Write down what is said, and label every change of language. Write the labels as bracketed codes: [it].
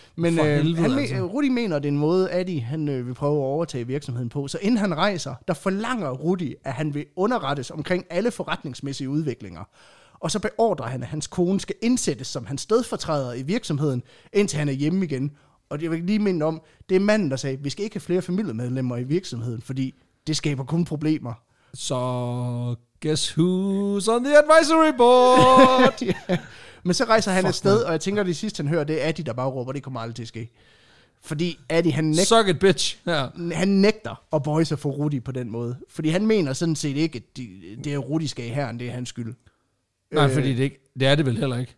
[da] Men Rudi mener, at det er en måde, Adi han, vil prøve at overtage virksomheden på. Så inden han rejser, der forlanger Rudi, at han vil underrettes omkring alle forretningsmæssige udviklinger. Og så beordrer han, at hans kone skal indsættes som hans stedfortræder i virksomheden, indtil han er hjemme igen. Og jeg vil lige minde om, det er manden, der sagde, at vi skal ikke have flere familiemedlemmer i virksomheden, fordi det skaber kun problemer. [en] Så guess who's on the advisory board? [da] Ja. Men så rejser han afsted, og jeg tænker, det sidste, han hører, det er Adi, der bare råber, det kommer aldrig til at ske. Fordi Adi, han nægter... [en] Suck it, bitch. Ja. [da] Han nægter at bøje sig for Rudi på den måde. Fordi han mener sådan set ikke, at det er Rudi skal i hæren, det er hans skyld. Nej, fordi det, ikke, det er det vel heller ikke?